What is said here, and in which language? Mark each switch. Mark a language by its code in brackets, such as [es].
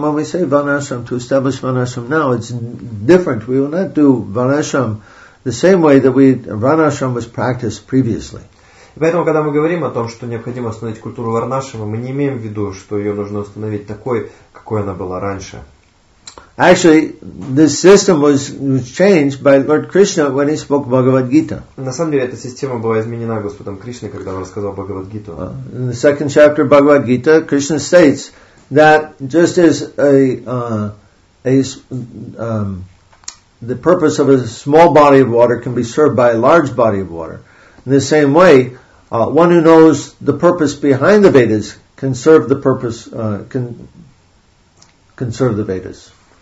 [en] When we say Varnashram, to establish Varnashram now, it's different. We will not do Varnashram the same way that Varnashram was practiced previously. [ru] Поэтому, когда мы говорим о том, что необходимо установить культуру Варнашрама, мы не имеем в виду, что ее нужно установить такой, какой она была раньше. [en] Actually, this system was changed by Lord Krishna when he spoke Bhagavad-gita. [ru] На самом деле, эта система была изменена Господом Кришной, когда он рассказал Бхагавад-гиту. [en] In the second chapter of Bhagavad-gita, Krishna states that just as the purpose of a small body of water can be served by a large body of water, in the same way, one who knows the purpose behind the Vedas can serve the purpose, can serve the Vedas.